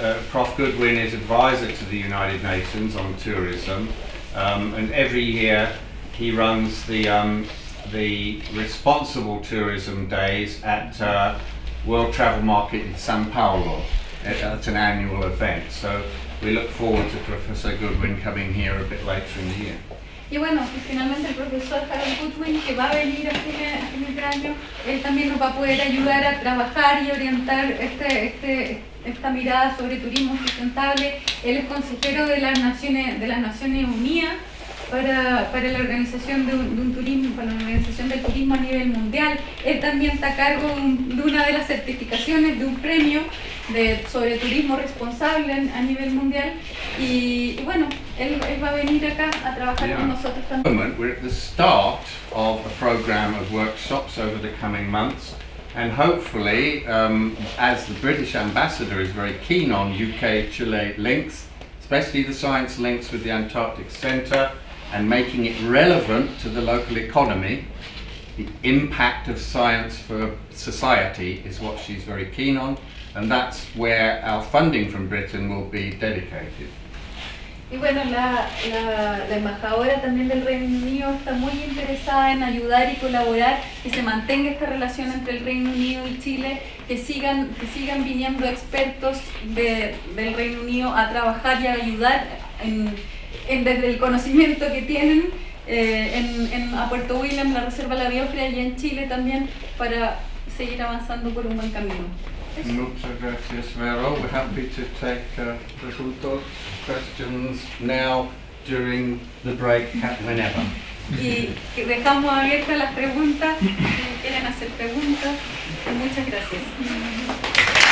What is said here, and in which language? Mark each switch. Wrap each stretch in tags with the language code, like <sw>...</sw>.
<en>Prof Goodwin is advisor to the United Nations on tourism, and every year he runs the Responsible Tourism Days at World Travel Market in São Paulo. It's an annual event, so we look forward to Professor Goodwin coming here a bit later in the year.</en> <es>Y bueno, y finalmente el profesor Harold Goodwin, que va a venir a fines de año, él también nos va a poder ayudar a trabajar y orientar esta mirada sobre turismo sustentable. Él es consejero de las Naciones Unidas para la organización de un turismo, para la organización del turismo a nivel mundial. Él también está a cargo de una de las certificaciones de un premio sobre turismo responsable a nivel mundial. Y bueno, él va a venir acá a trabajar con nosotros también.</es> <en>At the moment, we're at the start of a program of workshops over the coming months. And hopefully, as the British ambassador is very keen on UK-Chile links, especially the science links with the Antarctic Centre, and making it relevant to the local economy. The impact of science for society is what she's very keen on, and that's where our funding from Britain will be dedicated.</en> <es>Y bueno, la embajadora también del Reino Unido está muy interesada en ayudar y colaborar y se mantenga esta relación entre el Reino Unido y Chile, que sigan viniendo expertos del Reino Unido a trabajar y a ayudar en desde el conocimiento que tienen a Puerto Williams, la Reserva de la Biosfera, y en Chile también, para seguir avanzando por un buen camino. Muchas gracias, Vero.</es> <en>We're happy to take</en> <es>preguntas,</es> <en>questions now, during the break, whenever.</en> <es>Y dejamos abiertas las preguntas, si quieren hacer preguntas. Muchas gracias.</es>